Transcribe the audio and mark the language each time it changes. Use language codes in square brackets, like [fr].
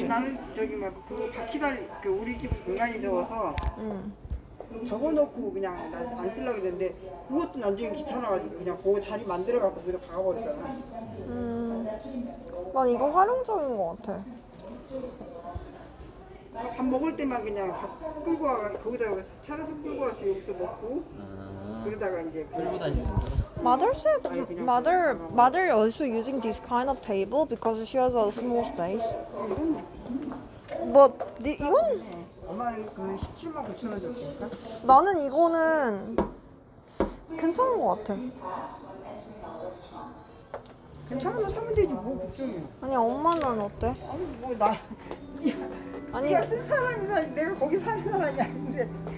[ko] 아니, 나는 저기 막 그 바퀴다 그 우리 집 공간이 적어서 적어놓고 그냥 나 안 쓰려고 했는데 그것도 나중에 귀찮아가지고 그냥 그 자리 만들어갖고 그냥 박아버렸잖아. 난 이거 활용적인 것 같아. 밥 먹을 때만 그냥 밥 끌고 와 거기다가 차라서 끌고 와서 여기서 먹고 그러다가 이제 끌고 다니면서 [en] Mother said Mother also using this kind of table because she has a small space. But [ko] 이건 엄마는 그 17만 9천 원 정도니까 나는 이거는 괜찮은 것 같아. 괜찮으면 사면 되지 뭐 걱정이야. 아니 엄마는 어때? 아니 뭐 나 아니 내가 쓴 사람이자 내가 거기 사는 사람이 아닌데